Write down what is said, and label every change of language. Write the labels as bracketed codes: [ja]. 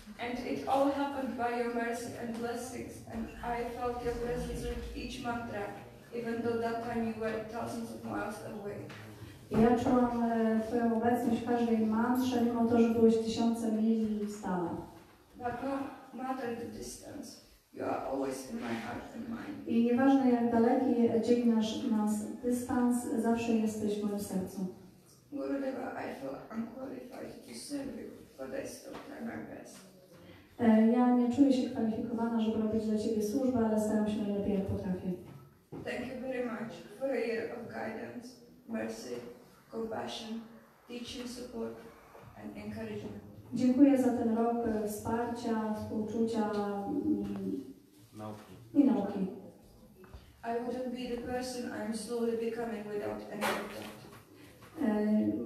[en] And it all happened by your mercy and blessings, and I felt your presence with each mantra, even though that time you were thousands of miles away. [pl] Ja czułam twoją obecność w każdej mantrze, mimo to, że byłeś tysiące mil stale. [en] But no matter the distance, you are always in my heart and mind. [pl] I nieważne jak daleki dzielisz nas dystans, zawsze jesteś w moim sercu. [en] Gurudeva, I feel unqualified to serve you, but I still try my best. [pl] Ja nie czuję się kwalifikowana, żeby robić dla Ciebie służbę, ale staram się najlepiej, jak potrafię. [en] Thank you very much for a year of guidance, mercy, compassion, teaching support and encouragement. [pl] Dziękuję za ten rok wsparcia, współczucia i nauki. [en] I wouldn't be the person I'm slowly becoming without any of that.